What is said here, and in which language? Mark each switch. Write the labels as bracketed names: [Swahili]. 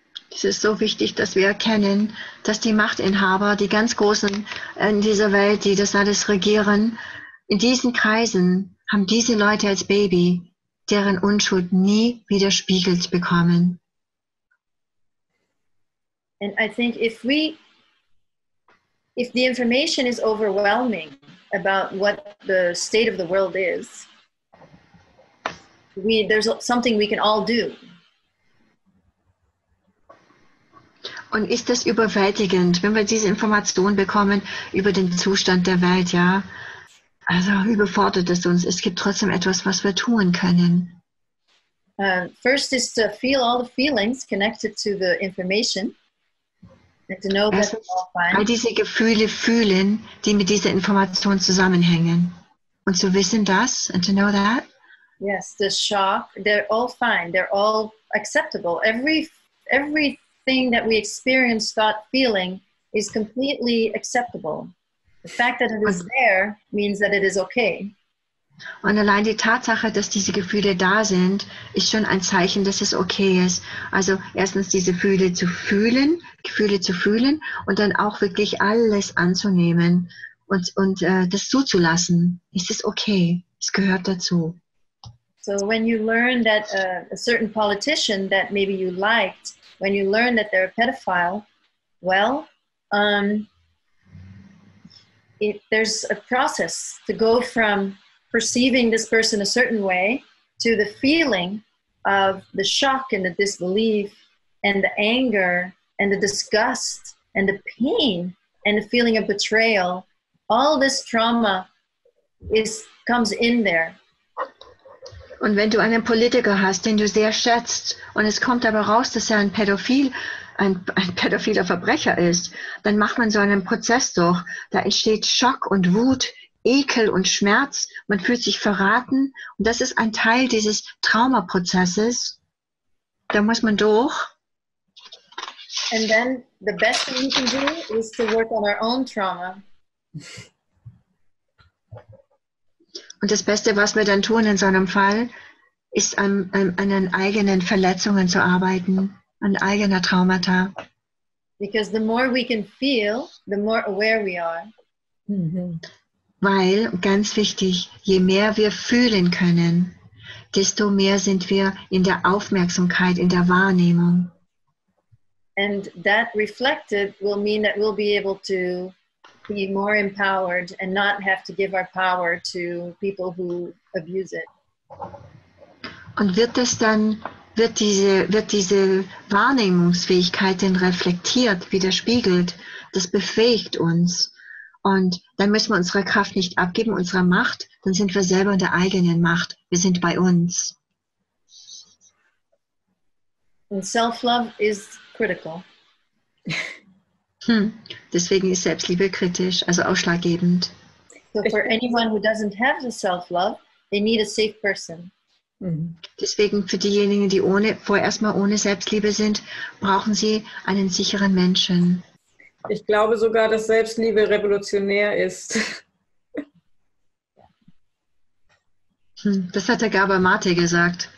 [German] Es ist so wichtig, dass wir erkennen, dass die Machtinhaber, die ganz Großen in dieser Welt, die das alles regieren, in diesen Kreisen haben diese Leute als Baby deren Unschuld nie widerspiegelt bekommen. [English] And I think if the information is overwhelming about what the state of the world is, there's something we can all do. [German] Und ist das überwältigend, wenn wir diese Information bekommen über den Zustand der Welt, ja? Also überfordert es uns. Es gibt trotzdem etwas, was wir tun können. [English] First is to feel all the feelings connected to the information and to know that it's all fine. [German] All diese Gefühle fühlen, die mit dieser Information zusammenhängen. Und zu wissen das [English] and to know that. Yes, the shock. They're all fine. They're all acceptable. Everything that we experience, thought, feeling is completely acceptable. The fact that it is there means that it is okay. [German] Und allein die Tatsache, dass diese Gefühle da sind, ist schon ein Zeichen, dass es okay ist. Also erstens diese Gefühle zu fühlen und dann auch wirklich alles anzunehmen und das zuzulassen. Ist es okay? Es gehört dazu. [English] So when you learn that a certain politician that maybe you liked, when you learn that they're a pedophile, well, there's a process to go from perceiving this person a certain way to the feeling of the shock and the disbelief and the anger and the disgust and the pain and the feeling of betrayal. All this trauma comes in there. [German] Und wenn du einen Politiker hast, den du sehr schätzt, und es kommt aber raus, dass er ein pädophiler Verbrecher ist, dann macht man so einen Prozess durch. Da entsteht Schock und Wut, Ekel und Schmerz. Man fühlt sich verraten. Und das ist ein Teil dieses Traumaprozesses. Da muss man durch. [English] And then the best thing we can do is to work on our own trauma. [German] Und das Beste, was wir dann tun in so einem Fall, ist an den eigenen Verletzungen zu arbeiten, an eigener Traumata. [English] Because the more we can feel, the more aware we are. [German] Weil, ganz wichtig, je mehr wir fühlen können, desto mehr sind wir in der Aufmerksamkeit, in der Wahrnehmung. [English] And that reflected will mean that we'll be able to be more empowered and not have to give our power to people who abuse it. [German] Und wird das dann, wird diese Wahrnehmungsfähigkeit denn reflektiert, widerspiegelt? Das befähigt uns. Und dann müssen wir unsere Kraft nicht abgeben, unsere Macht, dann sind wir selber in der eigenen Macht. Wir sind bei uns. [English] And self-love is critical. [German] Deswegen ist Selbstliebe kritisch, also ausschlaggebend. [English] So for anyone who doesn't have the self-love, they need a safe person. [German] Deswegen für diejenigen, die vorerst mal ohne Selbstliebe sind, brauchen sie einen sicheren Menschen. Ich glaube sogar, dass Selbstliebe revolutionär ist. Das hat der Gabor Mate gesagt.